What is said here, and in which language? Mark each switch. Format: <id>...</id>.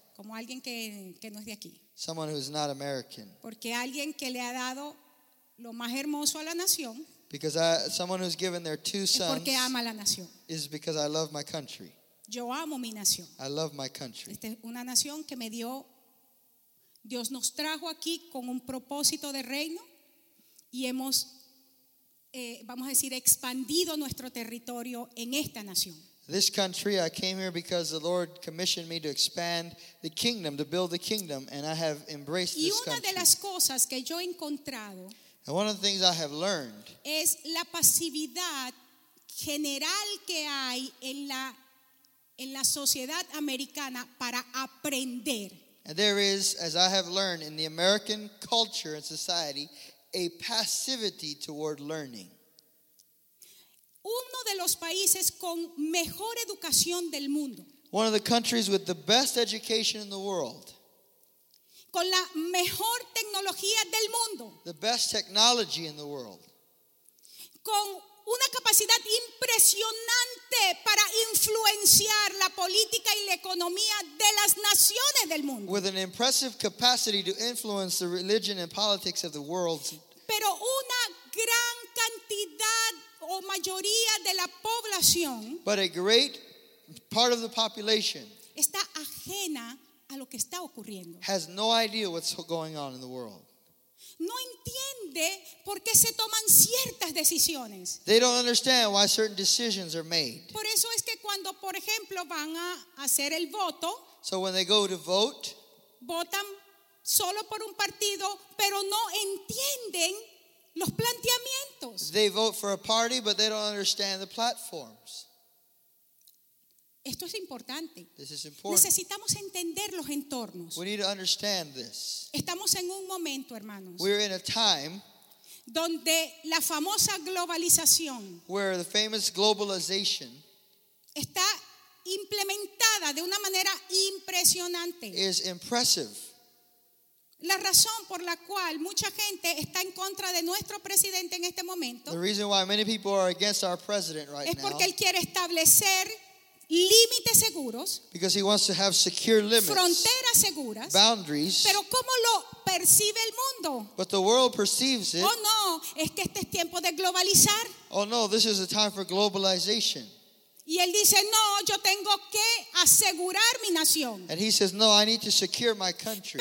<es>Como alguien que no es de aquí.</es> <en>Someone who is not American.</en> <es>Porque alguien que le ha dado lo más hermoso a la nación.</es> <en>Because someone who's given their two sons.</en> <es>Es porque ama la nación.</es> <en>Is because I love my country.</en> <es>Yo amo mi nación.</es> <en>I love my country.</en> <es>Esta es una nación que me dio. Dios nos trajo aquí con un propósito de reino y hemos, vamos a decir, expandido nuestro territorio en esta nación.</es> <en>This country, I came here because the Lord commissioned me to expand the kingdom, to build the kingdom, and I have embraced this country.</en> <es>Y una de las cosas que yo he encontrado.</es> <en>And one of the things I have learned.</en> <es>Es la pasividad general que hay en la sociedad americana para aprender.</es> <en>And there is, as I have learned, in the American culture and society, a passivity toward learning.</en> <es>Uno de los países con mejor educación del mundo.</es> <en>One of the countries with the best education in the world.</en> <es>Con la mejor tecnología del mundo.</es> <en>The best technology in the world.</en> <es>Con una capacidad impresionante para influenciar la política y la economía de las naciones del mundo.</es> <en>With an impressive capacity to influence the religion and politics of the world.</en> <es>Pero una gran cantidad o mayoría de la población.</es> <en>But a great part of the population.</en> <es>Está ajena a lo que está ocurriendo.</es> <en>Has no idea what's going on in the world.</en> <es>No entiende por qué se toman ciertas decisiones.</es> <en>They don't understand why certain decisions are made.</en> <es>Por eso es que cuando, por ejemplo, van a hacer el voto,</es> <en>so when they go to vote,</en> <es>votan solo por un partido, pero no entienden los planteamientos.</es> <en>They vote for a party, but they don't understand the platforms.</en> <es>Esto es importante.</es> <en>This is important.</en> <es>Necesitamos entender los entornos.</es> <en>We need to understand this.</en> <es>Estamos en un momento, hermanos.</es> <en>We're in a time</en> <es>donde la famosa globalización,</es> <en>where the famous globalization,</en> <es>está implementada de una manera impresionante.</es> <en>Is impressive.</en> <es>La razón por la cual mucha gente está en contra de nuestro presidente en este momento,</es> <en>the reason why many people are against our president right now,</en> <es>es porque él quiere establecer límites seguros,</es> <en>because he wants to have secure limits,</en> <es>fronteras seguras,</es> <en>boundaries.</en> <es>Pero ¿cómo lo percibe el mundo?</es> <en>But the world perceives it.</en> <es>Oh no, es que este es tiempo de globalizar.</es> <en>Oh no, this is a time for globalization.</en> <es>Y él dice, no, yo tengo que asegurar mi nación.</es> <en>And he says, no, I need to secure my country.</en>